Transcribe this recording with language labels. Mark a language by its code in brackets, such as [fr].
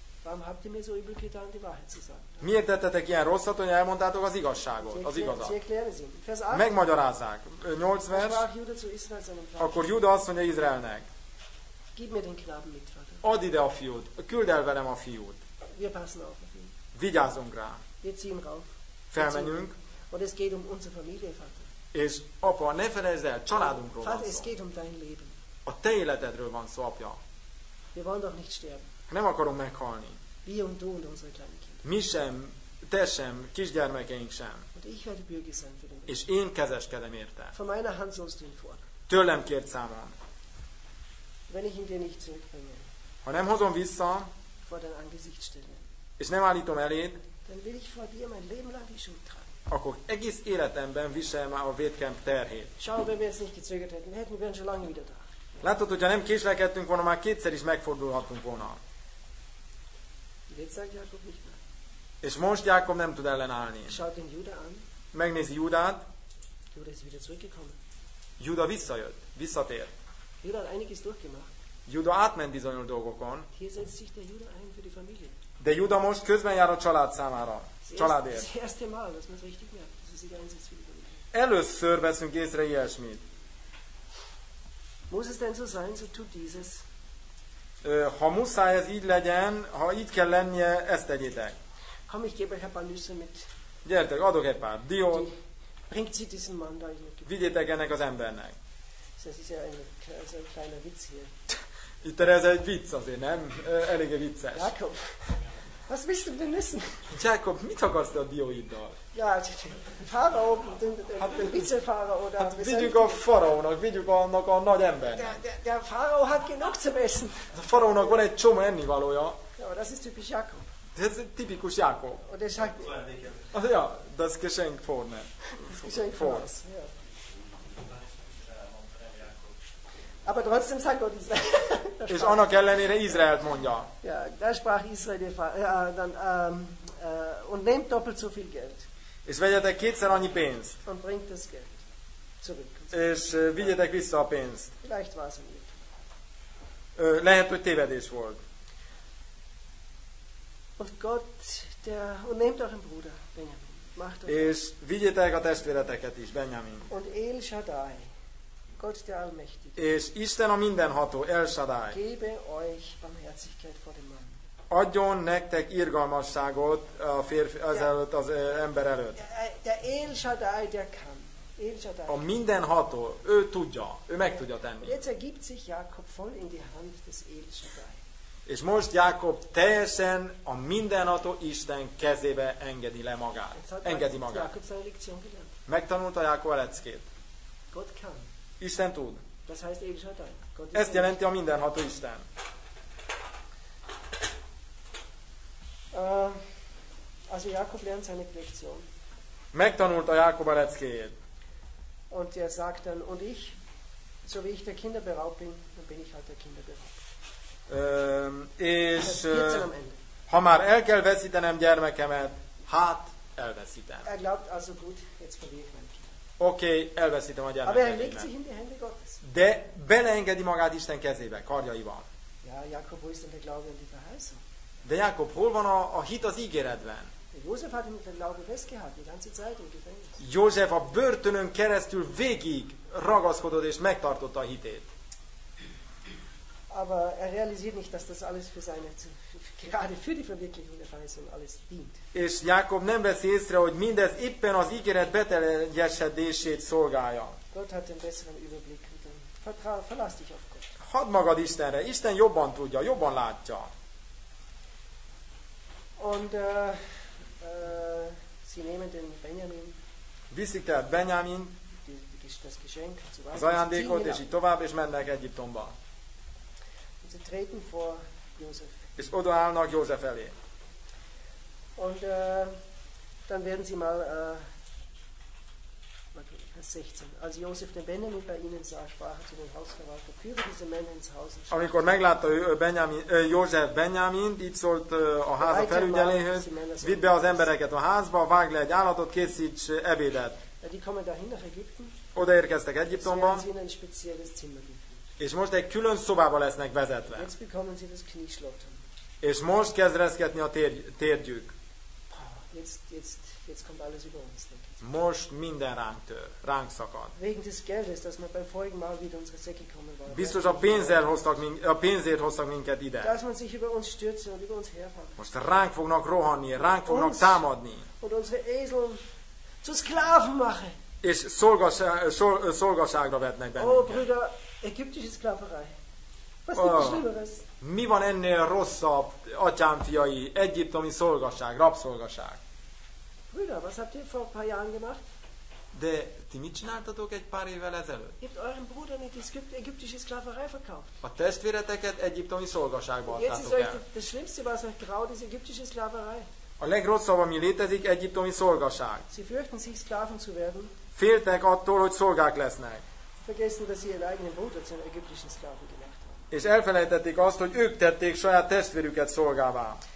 [de] Warum habt ihr mir so übel getan, die Wahrheit zu sagen? [hu] Miért tettetek ilyen rosszat, hogy elmondtátok az igazságot, az igazat? Megmagyarázzák. 8 vers. Akkor Júda azt mondja Izraelnek. [de] Gib mir den Knaben mit, Vater. [hu] Add ide a fiút. Küld el velem a fiút. [de] Wir passen auf. [hu] Vigyázzunk rá. [de] Wir ziehen rauf. [hu] Felmenjünk. [de] Und es geht um unsere Familie, Vater. [hu] És apa, ne felejtsd el, családunkról van szó. [de] Vater, es geht um dein Leben. [hu] A te életedről van szó, apja. [de] Wir wollen doch nicht sterben. [hu] Nem akarunk meghalni. [de] Wir und du und unsere kleinen Kinder. [hu] Mi sem, te sem, kisgyermekeink sem. [de] Und ich werde bürger sein für den Leben. [hu] És én kezeskedem érte. [de] Von meiner Hand sollst du ihn fordern. [hu] Tőlem kért számon. [de] Wenn ich ihn dir nicht zurückbringe. [hu] Ha nem hozom vissza. [de] Vor dein Angesicht stelle. [hu] És nem állítom eléd. [de] Dann will ich vor dir mein Leben lang die Schuld tragen. [hu] Akkor egész életemben viselem a vétkemp terhét. [de] Schau, wenn wir es nicht gezögert hätten, hätten wir schon lange wieder da. [hu] Látod, hogyha nem késlekedtünk volna, már kétszer is megfordulhattunk volna. [de] Jetzt sagt Jakob nicht mehr. [hu] És most Jakob nem tud ellenállni. [de] Schaut den Juda an. [hu] Megnézi Judát. [de] Juda ist wieder zurückgekommen. [hu] Juda visszajött, visszatért. [de] Juda hat einiges durchgemacht. [hu] Juda átment bizonyos dolgokon. [de] Hier setzt sich der Juda ein für die Familie. [hu] De Juda most közben jár a család számára. Családért. [de] Das erste Mal, dass man es richtig merkt. Das ist der Einsatz für die Familie. [hu] Először veszünk észre ilyesmit. [de] Muss es denn so sein, so tut dieses. [hu] Ha muszáj ez így legyen, ha így kell lennie, ezt tegyétek. [de] Komm, ich gebe euch ein paar Nüsse mit. [hu] Gyertek, adok egy pár diót. [de] Bringt sie diesen Mann da. [hu] Vigyétek ennek az embernek. [de] Das ist ja ein kleiner Witz hier. [hu] Itt ez egy vicc azért, nem? Eléggé vicces. [de] Jakob, was willst du denn wissen? [hu] Jakob, mit akarsz te a dióiddal? [de] Ja, Pharao, den Vizepharao. [hu] Hát vigyük a Pharaónak, vigyük annak a nagy embernek. [de] Der Pharao hat genug zu essen. [hu] A Pharaónak van egy csomó ennivalója. [de] Ja, das ist typisch Jakob. [hu] Ez tipikus Jakob. [de] Und er sagt... Ah, ja, das Geschenk vorne. Geschenk vorne, ja. Aber trotzdem sagt Gott Israel. [hu] És annak ellenére Izraelt mondja. [de] Ja, da sprach Israel der dann und nehmt doppelt so viel Geld. [hu] És vegyetek kétszer annyi pénzt. [de] Und bringt das Geld zurück. [hu] És vigyetek vissza a pénzt. [de] Vielleicht war es ein Irrtum. [hu] Lehet, hogy tévedés volt. [de] Und Gott, der und nehmt euren Bruder Benjamin. Macht euch. [hu] És vigyetek a testvéreteket is, Benjamin. [de] Und El Shaddai. Gott der Allmächtige. [hu] És Isten a mindenható, El Shaddai. [de] Gebe euch barmherzigkeit vor dem Mann. [hu] Adjon nektek irgalmasságot a férfi ezelőtt, az ember előtt. [de] Der El Shaddai, der kann. El Shaddai. [hu] A mindenható, ő tudja, ő meg tudja tenni. [de] Jetzt ergibt sich Jakob voll in die Hand des El Shaddai. [hu] És most Jakob teljesen a mindenható Isten kezébe engedi le magát. Engedi magát. [de] Jakob seine Lektion gelernt. [hu] Megtanulta Jakob a leckét. [de] Gott kann. [hu] Isten tud. [de] Das heißt El Shaddai. [hu] Ezt jelenti a mindenható Isten. [de] Also Jakob lernt seine Lektion. [hu] Megtanulta Jakob a leckéjét. [de] Und er sagt dann, und ich, so wie ich der Kinder beraubt bin, dann bin ich halt der Kinder beraubt. [hu] És ha már el kell veszítenem gyermekemet, hát elveszítem. [de] Er glaubt also gut, jetzt verliere ich mein. [hu] Oké, elveszítem a gyermekeimet. De beleengedi magát Isten kezébe, karjaival. [de] Ja, Jakob, wo ist denn der Glaube in die Verheißung? [hu] De Jakob, hol van a hit az ígéretben? [de] József hat ihn mit dem Glauben festgehalten, die ganze Zeit im Gefängnis. [hu] József a börtönön keresztül végig ragaszkodott és megtartotta a hitét. [de] Aber er realisiert nicht, dass das alles für seine gerade für die Verwirklichung der Verheißung alles dient. [hu] És Jákob nem veszi észre, hogy mindez éppen az ígéret beteljesedését szolgálja. [de] Gott hat den besseren Überblick. Verlass dich auf Gott. [hu] Hadd magad Istenre, Isten jobban tudja, jobban látja. [de] Und sie nehmen den Benjamin. [hu] Viszik tehát Benjamin. [de] Das Geschenk, [hu] az ajándékot, és így tovább, és mennek Egyiptomba. [de] Und sie treten vor Josef. [hu] És odaállnak József elé. [de] Und dann werden sie mal Vers 16. Als Josef den Benjamin bei ihnen sah, sprach er zu den Hausverwaltern: Führe diese Männer ins Haus. [hu] Amikor meglátta József Benjamint, így szólt a háza felügyeléhez: Vidd be az embereket a házba, vágj le egy állatot, készíts ebédet. [de] Die kommen dahin nach Ägypten. [hu] Odaérkeztek Egyiptomba. [de] Sie werden in ein spezielles Zimmer geführt. [hu] És most egy külön szobába lesznek vezetve. [de] Jetzt bekommen sie das Knieschlottern. [hu] És most kezd reszketni a térdjük. [de] Jetzt kommt alles über uns. [hu] Most minden ránk tör, ránk szakad. [de] Wegen des Geldes, dass man beim folgenden Mal wieder unsere Säcke kommen wollen. [hu] Biztos a pénzért hoztak minket ide. [de] Dass man sich über uns stürzt und über uns herfällt. [hu] Most ránk fognak rohanni, ránk fognak támadni. [de] Und unsere Esel zu Sklaven machen. [hu] És szolgaságra vetnek bennünket. [de] Oh, Brüder, ägyptische Sklaverei. Was gibt es Schlimmeres? [hu] Mi van ennél rosszabb, atyám fiai, egyiptomi szolgaság, rabszolgaság? [de] Brüder, was habt ihr vor ein paar Jahren gemacht? [hu] De ti mit csináltatok egy pár évvel ezelőtt? [de] Ihr habt euren Bruder in die ägyptische Sklaverei verkauft. [hu] A testvéreteket egyiptomi szolgaságba adtátok el. [de] Das Schlimmste, was euch graut, ist ägyptische Sklaverei. [hu] A legrosszabb, ami létezik, egyiptomi szolgaság. [de] Sie fürchten sich, Sklaven zu werden. [hu] Féltek attól, hogy szolgák lesznek. [de] Vergessen, dass sie ihren eigenen Bruder zu einem ägyptischen Sklaven gemacht haben. [hu] És elfelejtették azt, hogy ők tették saját testvérüket szolgává.